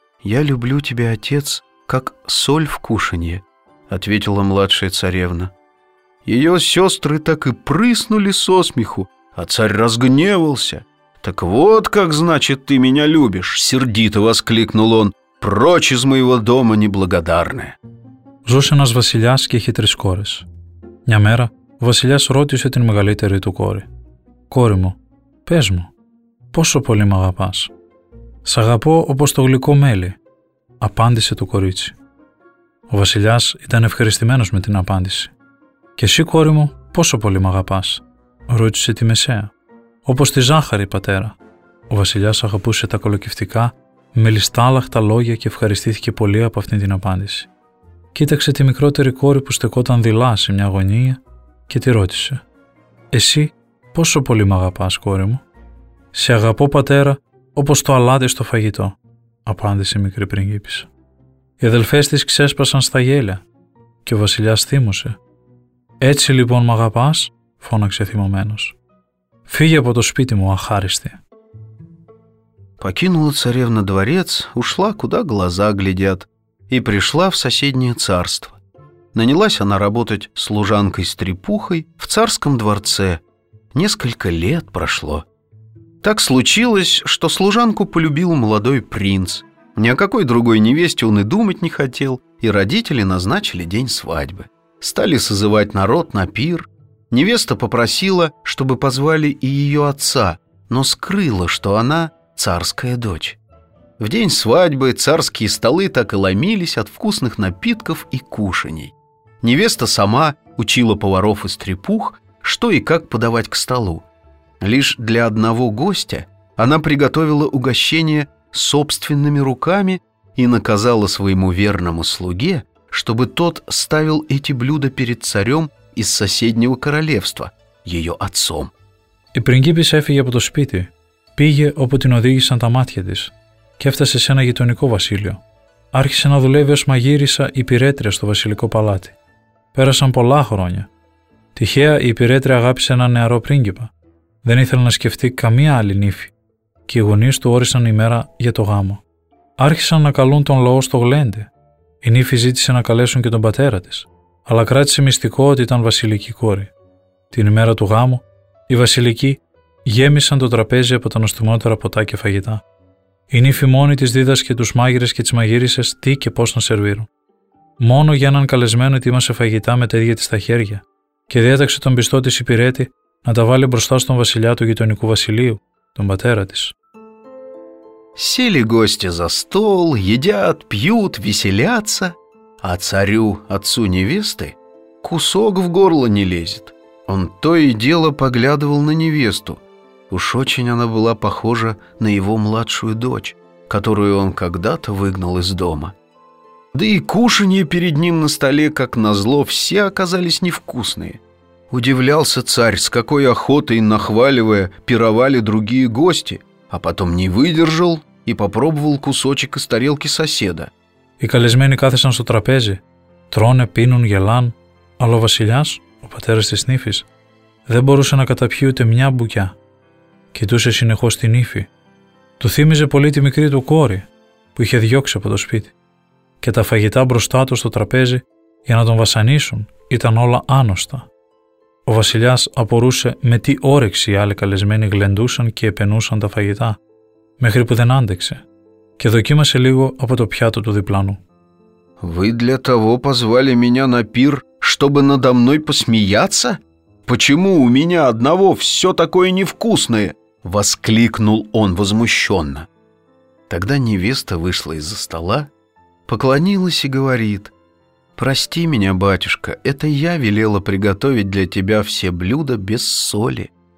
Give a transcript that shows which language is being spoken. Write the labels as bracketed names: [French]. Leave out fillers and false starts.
[Russian] «Я люблю тебя, отец, как соль в кушанье», — ответила младшая царевна. Ее сестры так и прыснули со смеху, а царь разгневался. «Так вот как значит ты меня любишь!» — сердито воскликнул он. «Прочь из моего дома, неблагодарная!» [Greek] Ζούς ένας βασιλιάς και είχε τρεις κόρες. Μια μέρα ο βασιλιάς ρώτησε την μεγαλύτερη του κόρη. «Κόρη μου, πες μου, πόσο πολύ μ' αγαπάς?» «Σ' αγαπώ όπως το γλυκό μέλι», απάντησε το κορίτσι. Ο βασιλιάς ήταν ευχαριστημένος με την απάντηση. «Και εσύ, κόρη μου, πόσο πολύ μ' αγαπάς?» ρώτησε τη μεσαία. «Όπως τη ζάχαρη, πατέρα». Ο βασιλιάς αγαπούσε τα κολοκυθτικά με λιστάλαχτα λόγια και ευχαριστήθηκε πολύ από αυτήν την απάντηση. Κοίταξε τη μικρότερη κόρη που στεκόταν δειλά σε μια γωνία και τη ρώτησε: «Εσύ πόσο πολύ μ' αγαπάς, κόρη μου?» «Σε αγαπώ, πατέρα, όπως το αλάτι στο φαγητό», απάντησε η μικρή πριγκίπισσα. Οι αδελφές της ξέσπασαν στα γέλια και ο βασιλιάς θύμωσε. «Έτσι λοιπόν μ' αγαπάς?» φώναξε θυμωμένος. «Φύγε από το σπίτι μου, αχάριστη». [Russian] Покинула царевна дворец, ушла, куда глаза глядят, и пришла в соседнее царство. Нанялась она работать служанкой-стрепухой в царском дворце. Несколько лет прошло. Так случилось, что служанку полюбил молодой принц. Ни о какой другой невесте он и думать не хотел, и родители назначили день свадьбы. Стали созывать народ на пир. Невеста попросила, чтобы позвали и ее отца, но скрыла, что она царская дочь. В день свадьбы царские столы так и ломились от вкусных напитков и кушаний. Невеста сама учила поваров и стрепух, что и как подавать к столу. Лишь для одного гостя она приготовила угощение собственными руками и наказала своему верному слуге, чтобы тот ставил эти блюда перед царем из соседнего королевства, ее отцом. [Greek] Η πριγκίπισσα έφυγε από το σπίτι, πήγε όπου την οδήγησαν τα μάτια της και έφτασε σε ένα γειτονικό βασίλειο. Άρχισε να δουλεύει ως μαγείρισα υπηρέτρια στο βασιλικό παλάτι. Πέρασαν πολλά χρόνια. Τυχαία η υπηρέτρια αγάπησε ένα νεαρό πρίγκιπα. Δεν ήθελε να σκεφτεί καμία άλλη νύφη και οι γονείς του όρισαν ημέρα για το γάμο. Άρχισαν να καλούν τον λαό στο γλέντι. Η νύφη ζήτησε να καλέσουν και τον πατέρα της, αλλά κράτησε μυστικό ότι ήταν βασιλική κόρη. Την ημέρα του γάμου, οι βασιλικοί γέμισαν το τραπέζι από τα νοστιμότερα ποτά και φαγητά. Η νύφη μόνη της δίδασκε τους μάγειρες και τις μαγείρισες τι και πώς να σερβίρουν. Μόνο για έναν καλεσμένο ετοίμασε φαγητά με τα ίδια της τα χέρια και διέταξε τον πιστό της υπηρέτη να τα βάλει μπροστά στον βασιλιά του γειτονικού βασιλείου, τον πατέρα της. [Russian] Сели гости за стол, едят, пьют, веселятся, а царю, отцу невесты, кусок в горло не лезет. Он то и дело поглядывал на невесту. Уж очень она была похожа на его младшую дочь, которую он когда-то выгнал из дома. Да и кушанье перед ним на столе, как назло, все оказались невкусные. Удивлялся царь, с какой охотой, нахваливая, пировали другие гости, а потом не выдержал и попробовал кусочек из тарелки соседа. [Greek] Οι καλεσμένοι κάθισαν στο τραπέζι, τρώνε, πίνουν, γελάν, αλλά ο βασιλιάς, ο πατέρας της νύφης, δεν μπορούσε να καταπιεί ούτε μια μπουκιά. Κοιτούσε συνεχώς την νύφη. Του θύμιζε πολύ τη μικρή του κόρη, που είχε διώξει από το σπίτι. Και τα φαγητά μπροστά του στο τραπέζι, για να τον βασανίσουν, ήταν όλα άνοστα. Ο βασιλιάς απορούσε με τι όρεξη οι άλλοι καλεσμένοι γλεντούσαν και επενούσαν τα φαγητά, μέχρι που δεν άντεξε και δοκίμασε λίγο από το πιάτο του διπλάνου. [Russian] «Вы для того позвали меня на пир, чтобы надо мной посмеяться? Почему у меня одного все такое невкусное?» — воскликнул он возмущенно. Тогда невеста вышла из-за стола, поклонилась и говорит: «Прости меня, батюшка, это я велела приготовить для тебя все блюда без соли.